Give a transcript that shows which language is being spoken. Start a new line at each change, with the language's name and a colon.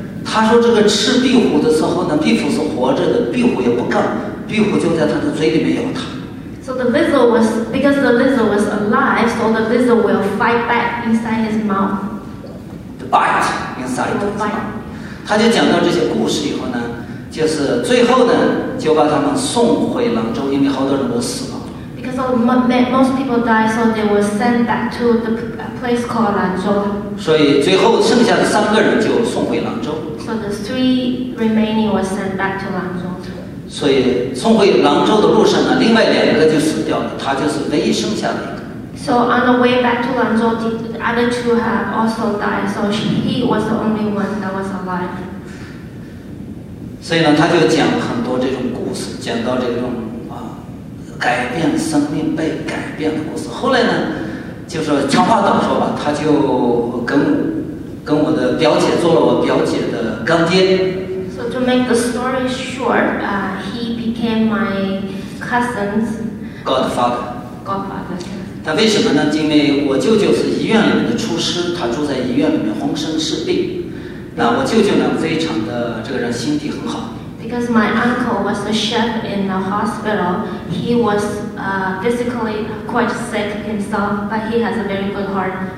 Chinese: 他说这个吃壁虎的时候呢，壁虎是活着的，壁虎也不干，壁虎就在他的嘴里面咬他。
English: So the lizard was because the lizard was alive, so the lizard will fight back inside his mouth. The bite inside his mouth.
Chinese: 他就讲到这些故事以后呢，就是最后呢，就把他们送回兰州，因为好多人都死了。
English: Because most people died, so they were sent back to the place called Lanzhou.
Chinese: 所以最后剩下的三个人就送回兰州。
English: So the 3 remaining were sent back to Lanzhou.
Chinese: 所以送回兰州的路上呢，另外两个就死掉了，他就是唯一剩下的一个。
English: So on the way back to Lanzhou, the other two have also died. So he was the only one that was alive.
Chinese: 所以呢，他就讲很多这种故事，讲到这种啊，改变生命被改变的故事。后来呢，就是长话短说吧，他就跟我的表姐做了我表姐的干爹。
English: So to make the story short, he became my cousin's godfather. Godfather.
Chinese: 他为什么呢？因为我舅舅是医院里面的厨师，他住在医院里面，浑身是病。那我舅舅呢，非常的这个人心地很好。
English: Because my uncle was a chef in the hospital, he was physically quite sick himself, but he has a very good heart.